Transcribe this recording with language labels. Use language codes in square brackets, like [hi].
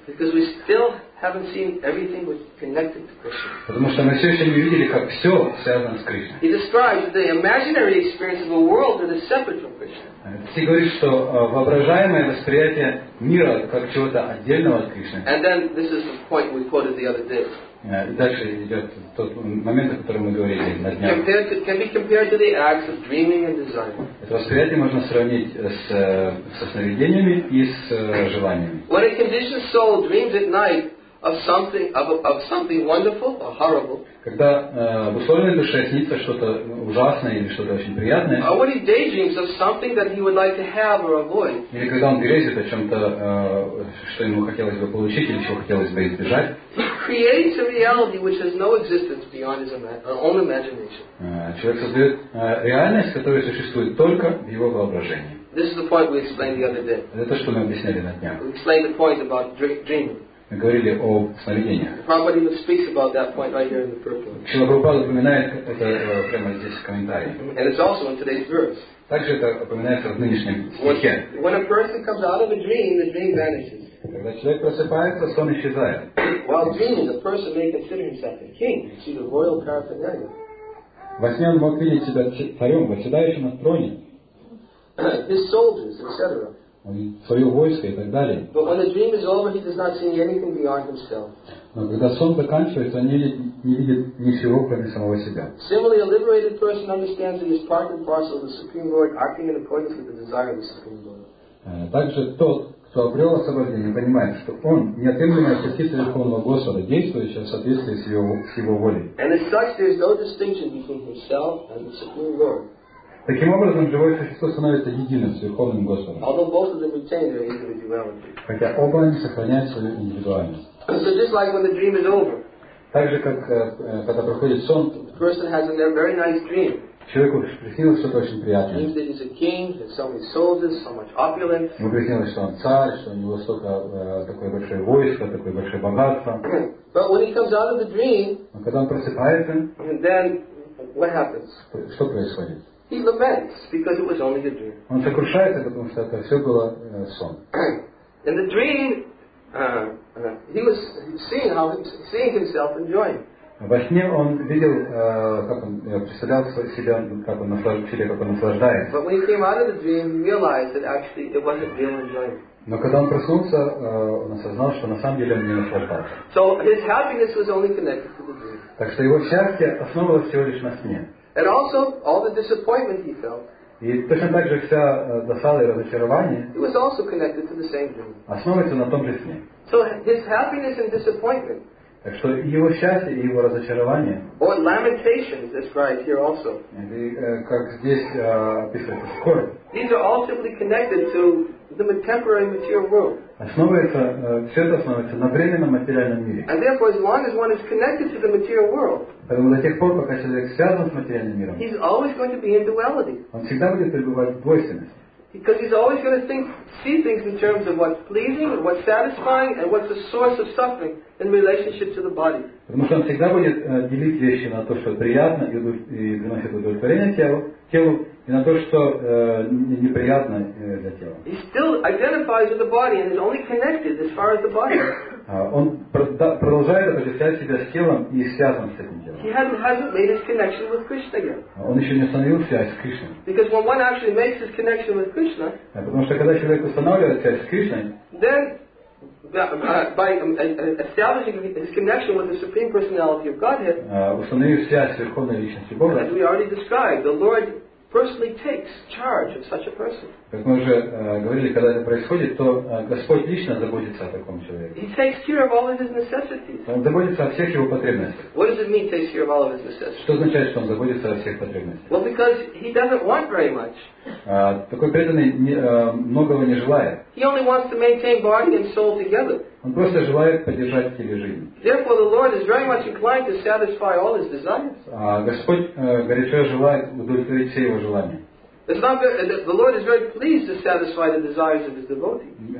[en] Because we still haven't seen everything was connected to Krishna. [ru] Потому что мы все еще не видели, как все связано с Кришной. [en] He describes the imaginary experience of a world that is separate from Krishna. [ru] Си говорит, что воображаемое восприятие мира как чего-то отдельного от Кришны. [en] And then this is the point we quoted the other day. [ru] Дальше идет тот момент, о котором мы говорили на днях. [en] Can be compared to the acts of dreaming and desiring. [ru] Это восприятие можно сравнить со сновидениями и с желаниями. [en] When a conditioned soul dreams at night of something wonderful or horrible. [ru] Когда в условной душе снится что-то ужасное или что-то очень приятное. [en] Or when he daydreams of something that he would like to have or avoid. [ru] Или когда он грезит о чем-то, что ему хотелось бы получить или чего хотелось бы избежать. [en] He creates a reality which has no existence beyond his own imagination. [ru] Человек создает реальность, которая существует только в его воображении. [en] This is the point we explained the other day. [ru] Это то, что мы объясняли на днях. [en] We explained the point about dreaming. [ru] Мы говорили о сновидениях. [en] Prabhupada even speaks about that point right here in the purport. [ru] Шрила Прабхупада упоминает это прямо здесь в комментарии. [en] And it's also in today's verse. [ru] Также это упоминается в нынешнем стихе. [en] When a person comes out of a dream, the dream vanishes. [ru] Когда человек просыпается, сон исчезает. [en] While dreaming, the person may consider himself a king, see the royal paraphernalia. [ru] Во сне он мог видеть себя царем, восседающим на троне. [en] His soldiers, etc. [ru] Свое войско и так далее. [en] But when the dream is over, he does not see anything beyond himself. [ru] Но когда сон заканчивается, он не видит ничего, кроме самого себя. [en] Similarly, a liberated person understands that he is part and parcel of the Supreme Lord, acting in accordance with the desire of the Supreme Lord. [ru] Также тот, кто обрел освобождение, понимает, что он неотъемлемая частица Верховного Господа, действующая в соответствии с его волей. [en] And as such, there is no distinction between himself and the Supreme Lord. [ru] Таким образом, живое существо становится единым с Верховным Господом. [en] Although both of them retain their individuality. [ru] Хотя оба они сохраняют свою индивидуальность. [en] So just like when the dream is over. [ru] Так же, как когда проходит сон, [en] the person has a very nice dream. [ru] Человеку приснилось что-то очень приятное. [en] He is a king, so many soldiers, so much opulence. [ru] Ему приснилось, что он царь, что у него столько такое большое войско, такое большое богатство. [en] But when he comes out of the dream, [ru] а когда он просыпается, [en] then what happens? [ru] Что происходит? [en] He laments because it was only a dream. [ru] Он сокрушается, потому что это все было сон. [en] In the dream, he was seeing himself enjoying. [ru] Во сне он видел, как он представлял себя, как он наслаждается. [en] But when he came out of the dream, he realized that actually it wasn't real enjoyment. [ru] Но когда он проснулся, он осознал, что на самом деле он не наслаждался. [en] So his happiness was only connected to the dream. [ru] Так что его счастье основывалось всего лишь на сне. [en] And also all the disappointment he felt. [ru] И точно так же вся досада и разочарование. [en] It was also connected to the same dream. [ru] Основывается на том же сне. [en] So his happiness and disappointment. [ru] Так что его счастье и его разочарование. [en] Or lamentation is described here also. [ru] И как здесь описывается скорбь. [en] These are all simply connected to the temporary material world. [ru] Основывается, все это основывается на временном материальном мире. [en] And therefore, as long as one is connected to the material world, [ru] поэтому до тех пор, пока человек связан с материальным миром, [en] he's always going to be in duality. [ru] Он всегда будет пребывать в двойственности. [en] Because he's always going to see things in terms of what's pleasing, what's satisfying, and what's the source of suffering in relationship to the body. [ru] Потому что он всегда будет делить вещи на то, что приятно и приносит удовлетворение телу, и на то, что неприятно для тела. [en] He still identifies with the body and is only connected as far as the body. [ru] Он продолжает отождествлять себя с телом и связан с этим телом. [en] He hasn't made his connection with Krishna yet. [ru] Он еще не установил связь с Кришной. [en] Because when one actually makes his connection with Krishna, [ru] потому что когда человек устанавливает связь с Кришной, [en] then by establishing his connection with the Supreme Personality of Godhead, [ru] установив связь с Верховной Личностью Бога, [en] as we already described, the Lord personally takes charge of such a person. [ru] Как мы уже говорили, когда это происходит, то Господь лично заботится о таком человеке. [en] He takes care of all of his necessities. [ru] Он заботится о всех его потребностях. [en] What does it mean takes care of all of his necessities? [ru] Что означает, что он заботится о всех потребностях? [en] Well, because he doesn't want very much. [ru] Такой преданный многого не желает. [en] He only wants to maintain body and soul together. [ru] Он просто желает поддержать тело и жизнь. [en] Therefore, the Lord is very much inclined to satisfy all his desires. [ru] Господь горячо желает удовлетворить все его желания. [en] It's not good. The Lord is very pleased to satisfy the desires of his devotee.